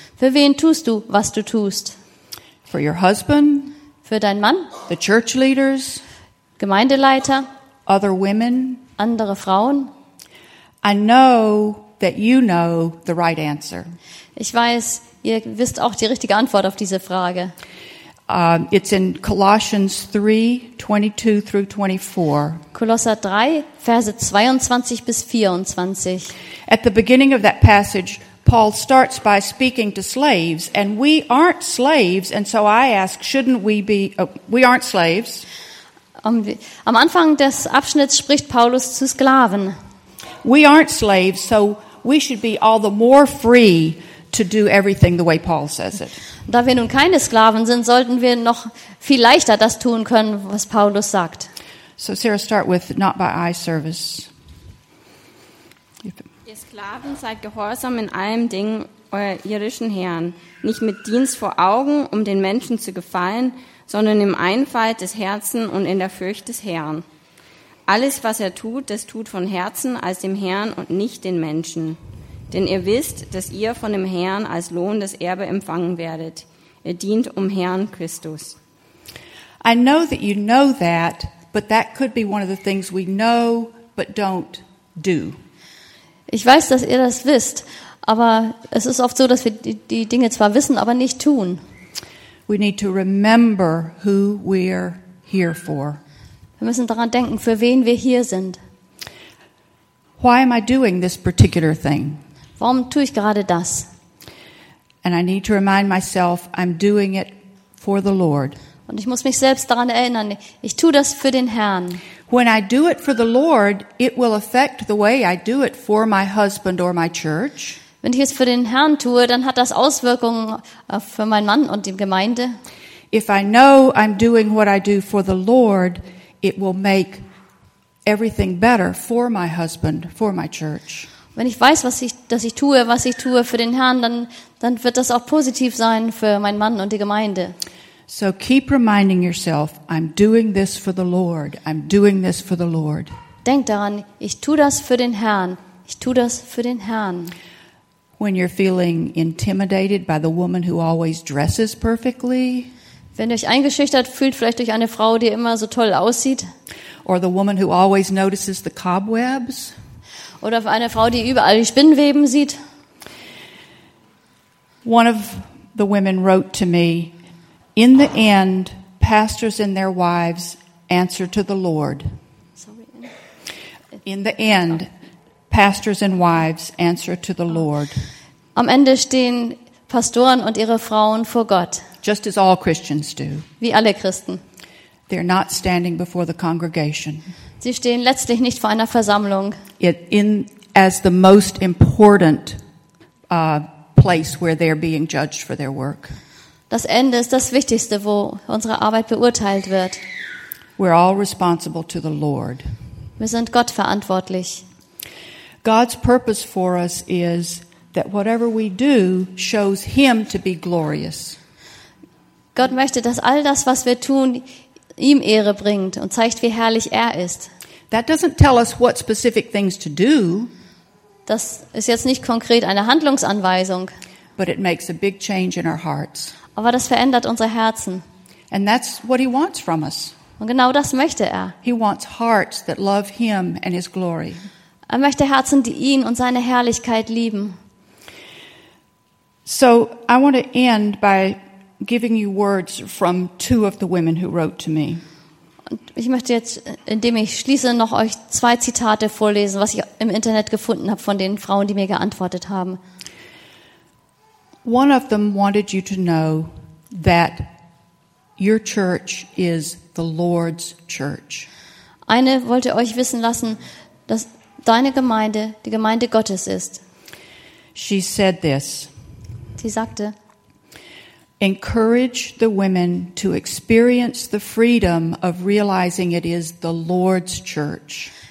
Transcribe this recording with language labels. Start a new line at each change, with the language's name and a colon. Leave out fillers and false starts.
German: Für wen tust du, was du tust?
English: For your husband,
German: für deinen Mann,
English: the church leaders,
German: Gemeindeleiter,
English: other women,
German: andere Frauen.
English: I know that you know the right answer.
German: Ich weiß, ihr wisst auch die richtige Antwort auf diese Frage.
English: It's in Colossians 3:22-24.
German: Kolosser 3, Verse 22 bis 24.
English: At the beginning of that passage, Paul starts by speaking to slaves, and we aren't slaves, and so I ask, shouldn't we be, we aren't slaves.
German: Am Anfang des Abschnitts spricht Paulus zu Sklaven.
English: We aren't slaves, so we should be all the more free to do everything the way Paul says it.
German: Da wir nun keine Sklaven sind, sollten wir noch viel leichter das tun können, was Paulus sagt.
English: So Sarah, start with, not by eye service.
German: Ihr Sklaven, seid gehorsam in allen Dingen euer irdischen Herrn, nicht mit Dienst vor Augen, um den Menschen zu gefallen, sondern im Einfalt des Herzens und in der Furcht des Herrn. Alles, was er tut, das tut von Herzen als dem Herrn und nicht den Menschen. Denn ihr wisst, dass ihr von dem Herrn als Lohn das Erbe empfangen werdet. Ihr dient um Herrn Christus.
English: I know that you know that, but that could be one of the things we know but don't do.
German: Ich weiß, dass ihr das wisst, aber es ist oft so, dass wir die Dinge zwar wissen, aber nicht tun.
English: We need to remember who we're here for.
German: Wir müssen daran denken, für wen wir hier sind.
English: Why am I doing this particular thing?
German: Warum tue ich gerade das?
English: And I need to remind myself, I'm doing it for the Lord.
German: Und ich muss mich selbst daran erinnern, ich tue das für den Herrn.
English: When I do it for the Lord, it will affect the way I do it for my husband or my church.
German: Wenn ich es für den Herrn tue, dann hat das Auswirkungen für meinen Mann und die Gemeinde.
English: If I know I'm doing what I do for the Lord, it will make everything better for my husband, for my church.
German: Wenn ich weiß, was ich tue für den Herrn, dann wird das auch positiv sein für meinen Mann und die Gemeinde.
English: So keep reminding yourself, I'm doing this for the Lord. I'm doing this for the Lord.
German: Denk daran, ich tue das für den Herrn. Ich tue das für den Herrn.
English: When you're feeling intimidated by the woman who always dresses perfectly.
German: Wenn ihr euch eingeschüchtert fühlt, vielleicht durch eine Frau, die immer so toll aussieht.
English: Or the woman who always notices the cobwebs.
German: Oder eine Frau, die überall die Spinnenweben sieht.
English: One of the women wrote to me, in the end, pastors and their wives answer to the Lord. In the end, pastors and wives answer to the Lord.
German: Am Ende stehen Pastoren und ihre Frauen vor Gott.
English: Just as all Christians do.
German: Wie alle Christen.
English: They're not standing before the congregation.
German: Sie stehen letztlich nicht vor einer Versammlung.
English: As the most important place where they're being judged for their work.
German: Das Ende ist das Wichtigste, wo unsere Arbeit beurteilt wird.
English: We're all responsible to the Lord.
German: Wir sind Gott verantwortlich.
English: God's purpose for us is that whatever we do shows him to be glorious.
German: Gott möchte, dass all das, was wir tun, ihm Ehre bringt und zeigt, wie herrlich er ist.
English: That doesn't tell us what specific things to do.
German: Das ist jetzt nicht konkret eine Handlungsanweisung.
English: But it makes a big change in our hearts.
German: Aber das verändert unsere Herzen.
English: And that's what he wants from us.
German: Und genau das möchte er.
English: He wants hearts that love him and his glory.
German: Er möchte Herzen, die ihn und seine Herrlichkeit lieben.
English: So, I want to end by giving you words from two of the women who wrote to me.
German: Und ich möchte jetzt, indem ich schließe, noch euch zwei Zitate vorlesen, was ich im Internet gefunden habe von den Frauen, die mir geantwortet haben.
English: One of them wanted you to know that your church is the Lord's church.
German: Eine wollte euch wissen lassen, dass deine Gemeinde die Gemeinde Gottes ist.
English: She said this.
German: Sie sagte:
English: Encourage the women to experience the freedom of realizing it is the Lord's church.